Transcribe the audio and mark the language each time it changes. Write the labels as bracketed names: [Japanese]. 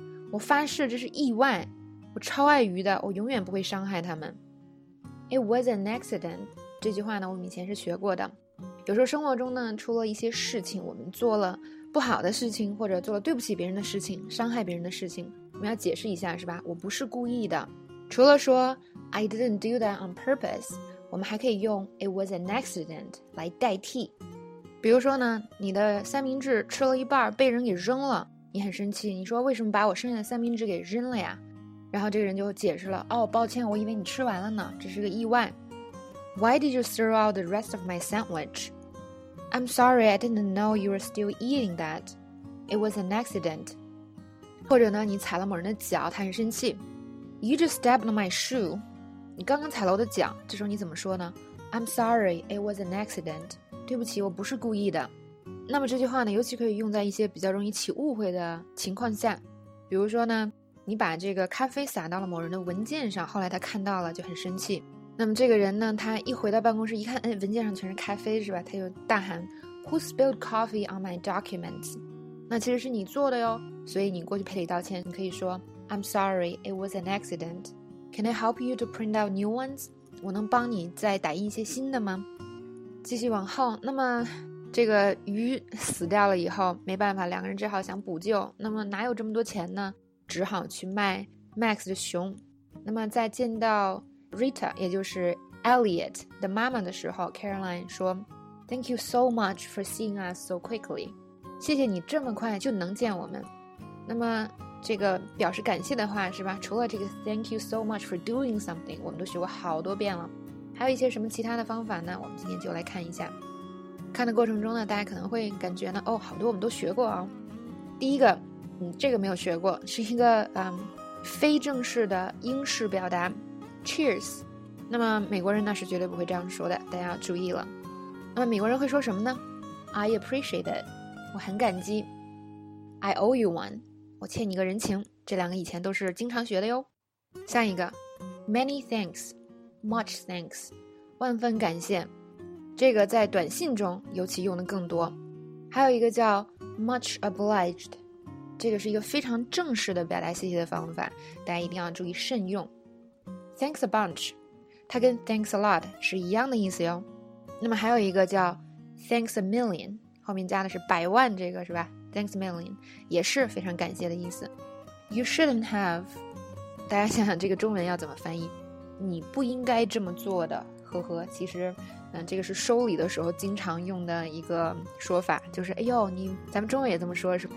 [Chinese] 我发誓这是意外，我超爱鱼的，我永远不会伤害他们。 [English] It was an accident. [Chinese] 这句话呢，我们以前是学过的。有时候生活中呢，出了一些事情，我们做了不好的事情，或者做了对不起别人的事情，伤害别人的事情，我们要解释一下，是吧？我不是故意的。除了说 [English] I didn't do that on purpose， [Chinese] 我们还可以用 [English] It was an accident [Chinese] 来代替。比如说呢，你的三明治吃了一半，被人给扔了，你很生气，你说为什么把我剩下的三明治给扔了呀？然后这个人就解释了，哦，抱歉，我以为你吃完了呢，这是个意外。 [English] Why did you throw out the rest of my sandwich? I'm sorry, I didn't know you were still eating that. It was an accident. [Chinese] 或者呢，你踩了某人的脚，他很生气。 [English] You just stepped on my shoe. [Chinese] 你刚刚踩了我的脚，这时候你怎么说呢？ [English] I'm sorry, it was an accident. [Chinese] 对不起，我不是故意的。那么这句话呢，尤其可以用在一些比较容易起误会的情况下。比如说呢，你把这个咖啡洒到了某人的文件上，后来他看到了就很生气。那么这个人呢，他一回到办公室一看，哎，文件上全是咖啡，是吧？他就大喊 [English] Who spilled coffee on my documents? [Chinese] 那其实是你做的哟，所以你过去赔礼道歉，你可以说 [English] I'm sorry, it was an accident. Can I help you to print out new ones? [Chinese] 我能帮你再打印一些新的吗？继续往后，那么这个鱼死掉了以后，没办法，两个人只好想补救，那么哪有这么多钱呢？只好去卖 Max 的熊。那么再见到Rita， 也就是 Elliot 的妈妈的时候， Caroline 说 [English] Thank you so much for seeing us so quickly， [Chinese] 谢谢你这么快就能见我们。那么这个表示感谢的话，是吧，除了这个 [English] Thank you so much for doing something， [Chinese] 我们都学过好多遍了，还有一些什么其他的方法呢？我们今天就来看一下。看的过程中呢，大家可能会感觉呢，哦，好多我们都学过哦。第一个，这个没有学过，是一个非正式的英式表达Cheers， 那么美国人那是绝对不会这样说的，大家要注意了。那么美国人会说什么呢？ [English] I appreciate it， [Chinese] 我很感激。 [English] I owe you one， [Chinese] 我欠你个人情。这两个以前都是经常学的哟。下一个 [English] Many thanks， Much thanks， [Chinese] 万分感谢，这个在短信中尤其用的更多。还有一个叫 [English] Much obliged， [Chinese] 这个是一个非常正式的表达谢谢的方法，大家一定要注意慎用。 [English] Thanks a bunch， [Chinese] 它跟 [English] thanks a lot [Chinese] 是一样的意思哟。那么还有一个叫 [English] thanks a million， [Chinese] 后面加的是百万，这个是吧？ [English] thanks a million [Chinese] 也是非常感谢的意思。 [English] You shouldn't have， [Chinese] 大家想想这个中文要怎么翻译，你不应该这么做的，呵呵。其实这个是收礼的时候经常用的一个说法，就是哎呦，你咱们中文也这么说是吧？